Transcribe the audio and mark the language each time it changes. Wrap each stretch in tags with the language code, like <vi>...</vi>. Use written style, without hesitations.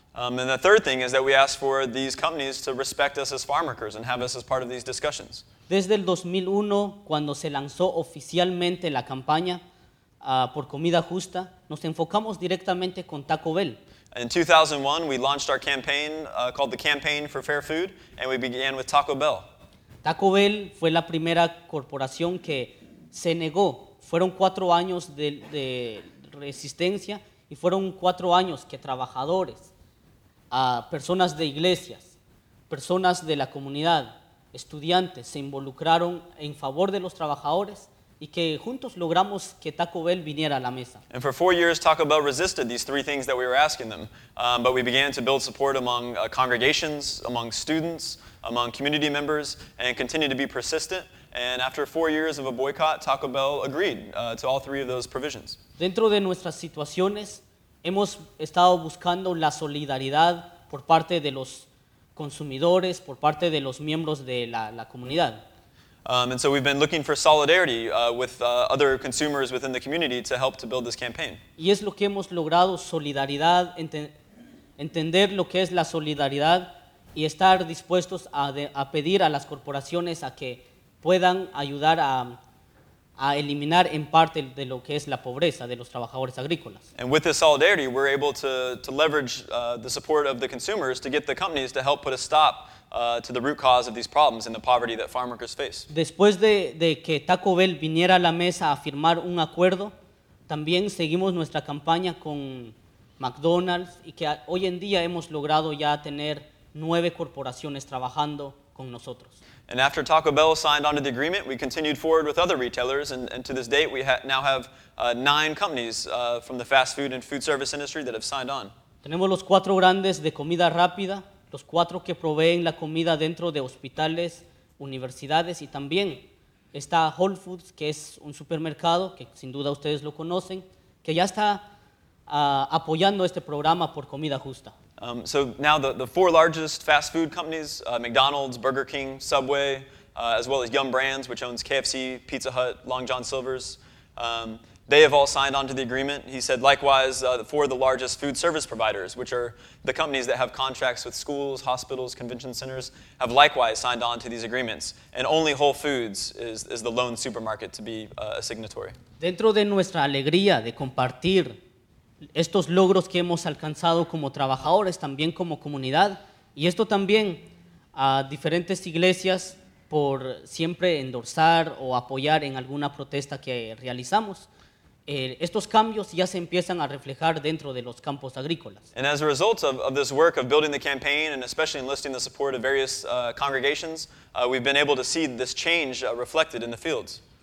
<en>And the third thing is that we ask for these companies to respect us as farm workers and have us as part of these discussions.</en> <es>Desde el 2001, cuando se lanzó oficialmente la campaña por comida justa, nos enfocamos directamente con Taco Bell.</es> <en>In 2001, we launched our campaign called the Campaign for Fair Food, and we began with Taco Bell.</en> <es>Taco Bell fue la primera corporación que se negó. Fueron 4 años de resistencia y fueron 4 años que trabajadores, personas de iglesias, personas de la comunidad, estudiantes se involucraron en favor de los trabajadores y que juntos logramos que Taco Bell viniera a la mesa.</es> <en>And for 4 years, Taco Bell resisted these 3 things that we were asking them. But we began to build support among congregations, among students, among community members, and continue to be persistent. And after 4 years of a boycott, Taco Bell agreed to all 3 of those provisions.</en> <es>Dentro de nuestras situaciones, hemos estado buscando la solidaridad por parte de los consumidores, por parte de los miembros de la comunidad.</es> <en>And so we've been looking for solidarity with other consumers within the community to help to build this campaign.</en> <es>Y es lo que hemos logrado, solidaridad, entender lo que es la solidaridad y estar dispuestos a pedir a las corporaciones a que puedan ayudar a eliminar en parte de lo que es la pobreza de los trabajadores agrícolas.</es> <en>And with this solidarity, we're able to leverage the support of the consumers to get the companies to help put a stop to the root cause of these problems and the poverty that farm workers face.</en> <es>Después de que Taco Bell viniera a la mesa a firmar un acuerdo, también seguimos nuestra campaña con McDonald's y que hoy en día hemos logrado ya tener 9 corporaciones trabajando con nosotros.</es> <en>And after Taco Bell signed onto the agreement, we continued forward with other retailers, and to this date, we now have 9 companies from the fast food and food service industry that have signed on.</en> <es>Tenemos los 4 grandes de comida rápida, los 4 que proveen la comida dentro de hospitales, universidades, y también está Whole Foods, que es un supermercado, que sin duda ustedes lo conocen, que ya está apoyando este programa por comida justa.</es> <en>So now the 4 largest fast food companies, McDonald's, Burger King, Subway, as well as Yum Brands, which owns KFC, Pizza Hut, Long John Silver's, they have all signed on to the agreement. He said, likewise, the 4 of the largest food service providers, which are the companies that have contracts with schools, hospitals, convention centers, have likewise signed on to these agreements. And only Whole Foods is the lone supermarket to be a signatory.</en> <es>Dentro de nuestra alegría de compartir estos logros que hemos alcanzado como trabajadores, también como comunidad, y esto también a diferentes iglesias por siempre endorsar o apoyar en alguna protesta que realizamos, estos cambios ya se empiezan a reflejar dentro de los campos agrícolas.</es> <en>And as a result of this work of building the campaign and especially enlisting the support of various congregations, we've been able to see this change reflected in the fields.</en>